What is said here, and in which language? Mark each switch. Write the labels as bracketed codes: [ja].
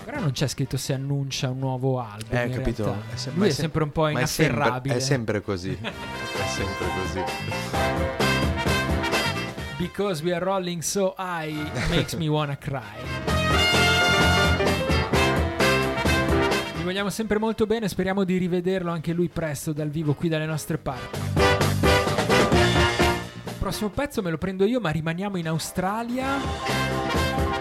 [it] C'è scritto se annuncia un nuovo album. Capito. Lui è sempre un po' inafferrabile. È sempre così. È sempre così. [en] Because we are rolling so high makes me wanna cry. [it] Vi vogliamo sempre molto bene. Speriamo di rivederlo anche lui presto dal vivo qui dalle nostre parti. Il prossimo pezzo me lo prendo io, ma rimaniamo in Australia.